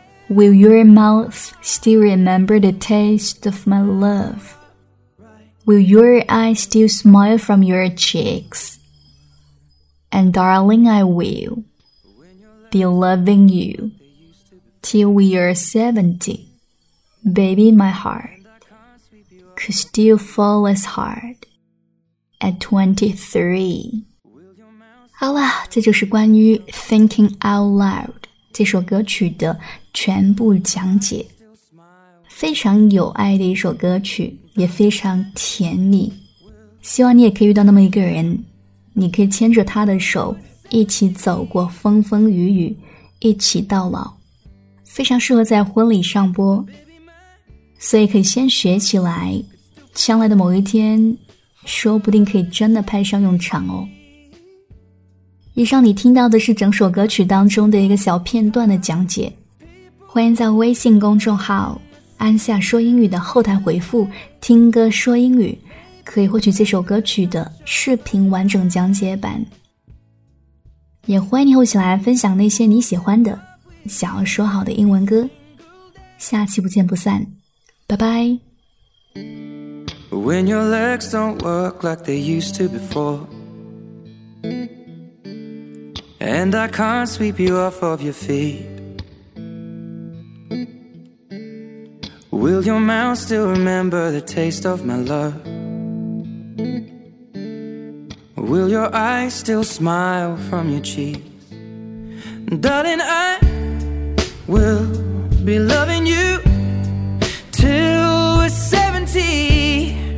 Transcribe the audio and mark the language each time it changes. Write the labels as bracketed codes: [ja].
[en] Will your mouth still remember the taste of my love Will your eyes still smile from your cheeks And darling I will Be loving youTill we are 70, baby, my heart could still fall as hard at 23. [zh] 好了，这就是关于 Thinking Out Loud 这首歌曲的全部讲解。非常有爱的一首歌曲，也非常甜蜜。希望你也可以遇到那么一个人，你可以牵着他的手，一起走过风风雨雨，一起到老。非常适合在婚礼上播，所以可以先学起来，将来的某一天，说不定可以真的派上用场哦。以上你听到的是整首歌曲当中的一个小片段的讲解，欢迎在微信公众号安夏说英语的后台回复听歌说英语，可以获取这首歌曲的视频完整讲解版。也欢迎你后起来分享那些你喜欢的想要说好的英文歌，下期不见不散，拜拜。 [en] When your legs don't work like they used to before And I can't sweep you off of your feet Will your mouth still remember the taste of my love Will your eyes still smile from your cheeks Darling IWill be loving you till we're 70